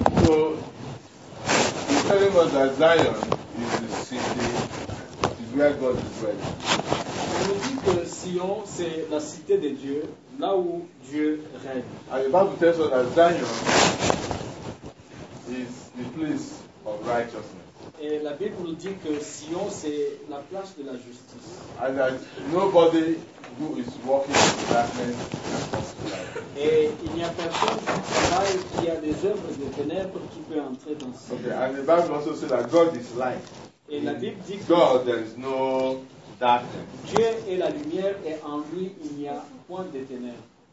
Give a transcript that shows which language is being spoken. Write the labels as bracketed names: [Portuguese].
[English] Zion is the city, is where God is dwelling. [French] On nous dit que Sion c'est la cité de Dieu, là où Dieu règne. [English] And the Bible tells us that Zion is the place of righteousness. [French] Et la Bible nous dit que Sion c'est la place de la justice. [English] And that nobody who is walking in darkness can prosper. [French] Et il n'y a personne qui travaille qui a des œuvres de ténèbres qui peut entrer dans ce. [English] Okay, and the Bible also says that God is light. [French] Et la Bible dit que [English] God, there is no darkness. [French] Dieu est la lumière et en lui il n'y a point de ténèbres.